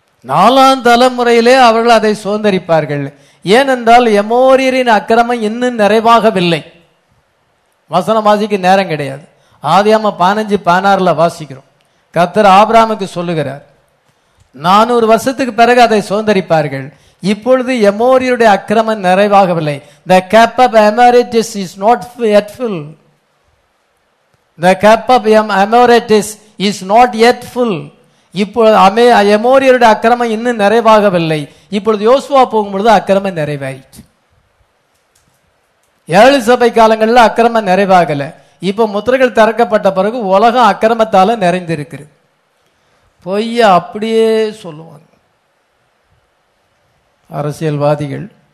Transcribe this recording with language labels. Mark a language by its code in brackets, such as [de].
[ta] நாலாம் தலைமுறையிலே அவர்கள் அதை சுதந்திரிப்பார்கள். ஏனென்றால் எமோரியரின் அக்கிரமம் இன்னும் நிறைவாகவில்லை. வசனம் வாசிக்க நேரம் கிடையாது. ஆதியாம 15:16 வாசிக்கிறோம். கர்த்தர் ஆபிராமுக்கு சொல்லுகிறார், 400 வருஷத்துக்கு பிறகு அதை சுதந்திரிப்பார்கள். இப்பொழுது எமோரியருடைய அக்கிரமம் நிறைவாகவில்லை. [en] The cup of emeritus is not yet full. The cup of emeritus is not yet full. [ta] இப்பொழுது எமோரியருடைய அக்கிரமம் இன்னும் நிறைவாகவில்லை. இப்பொழுது யோசுவா போகும்பொழுது அக்கிரமம் நிறைவாயிற்று. ஏழு சபை காலங்களில் அக்கிரமம் நிறைவாகல. இப்ப முத்திரைகள் திறக்கப்பட்ட பிறகு உலகம் அக்கிரமத்தால நிறைந்திருக்கு. பொய்ய அப்படியே சொல்லுவாங்க அரசியல்வாதிகள்.